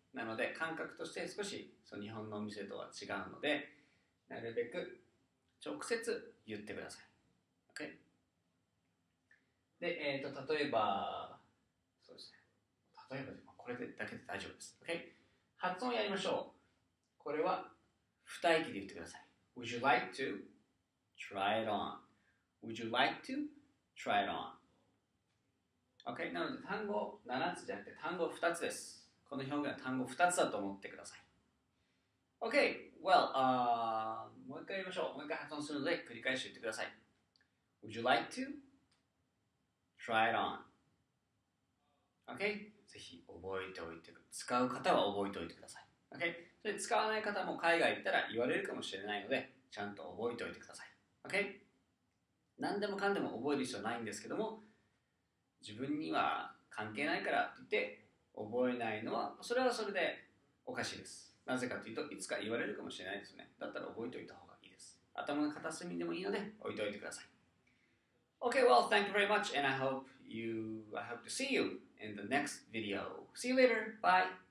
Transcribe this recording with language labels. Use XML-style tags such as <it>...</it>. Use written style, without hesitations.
<ja>なので、感覚として少し、日本のお店とは違うので、なるべく直接言ってください。 OK? で、例えば、そうですね。例えば、これだけで大丈夫です。OK? 発音やりましょう。これは、二息で言ってください。</ja> <en>Would you like to try it on?Would you like to try it on?OK?</en> <ja>なので、単語7つじゃなくて、単語2つです。この表現は単語2つだと思ってください。 OK? Well,もう一回言いましょう。もう一回発音するので、繰り返して言ってください。</ja> <en>Would you like to? Try it on. OK?</en> <ja>ぜひ覚えておいてください。使う方は覚えておいてください。 OK? それ使わない方も海外行ったら言われるかもしれないので、ちゃんと覚えておいてください。 OK? 何でもかんでも覚える必要ないんですけども、自分には関係ないからって言って、覚えないのは、それはそれでおかしいです。なぜかというと、いつか言われるかもしれないですよね。だったら覚えておいた方がいいです。頭の片隅でもいいので、置いておいてください。</ja> <en>Okay, well, thank you very much, and I hope to see you in the next video. See you later. Bye.</en>